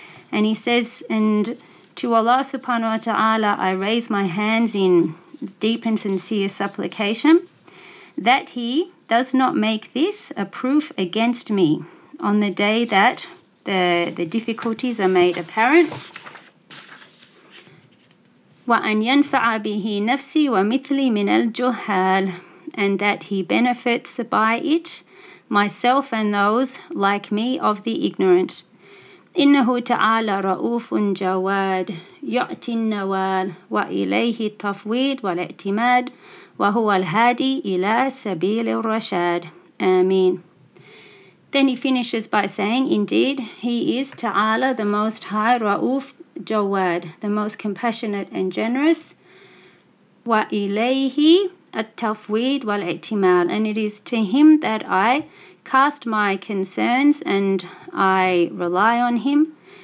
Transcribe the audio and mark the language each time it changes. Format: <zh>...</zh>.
<en>And he says, and to Allah subhanahu wa ta'ala I raise my hands in deep and sincere supplication that he does not make this a proof against me on the day that the difficulties are made apparent.</en> <ar>وَأَنْ يَنْفَعَ بِهِ نَفْسِي وَمِثْلِي مِنَ الْجُهَّالِ,</ar> <en>and that he benefits by it myself and those like me of the ignorant.</en> <ar>إنه تعالى رؤوف جواد يعطي النوال وإليه التفويض والاعتماد وهو الهادي إلى سبيل الرشاد. آمين.</ar> <en>Then he finishes by saying, indeed, he is Ta'ala, the Most High, Ra'uf Jawad, the most compassionate and generous.</en> <ar>Wa ilayhi at-tafweed wal-i'timal.</ar> <en>And it is to him that I cast my concerns and I rely on him.</en>